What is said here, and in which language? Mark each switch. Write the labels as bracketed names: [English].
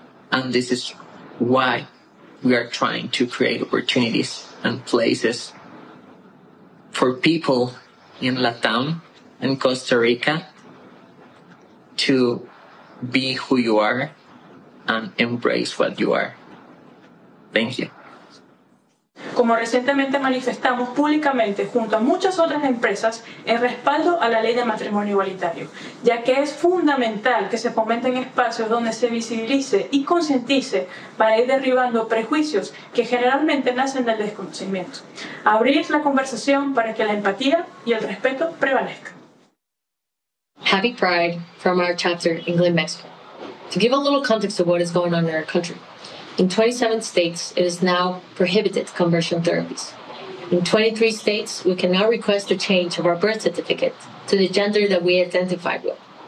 [English] And this is why we are trying to create opportunities and places for people in Latam and Costa Rica to be who you are and embrace what you are. Thank you. [Spanish] Como recientemente manifestamos públicamente junto a muchas otras empresas en respaldo a la ley de matrimonio igualitario, ya que es fundamental que se fomenten espacios donde se visibilice y concientice para ir derribando prejuicios que generalmente nacen del desconocimiento. Abrir la conversación para que la empatía y el respeto prevalezcan. [English] Happy Pride from our chapter in Glen, Mexico. To give a little context of what is going on in our country, in 27 states, it is now prohibited conversion therapies. In 23 states, we can now request a change of our birth certificate to the gender that we identify with.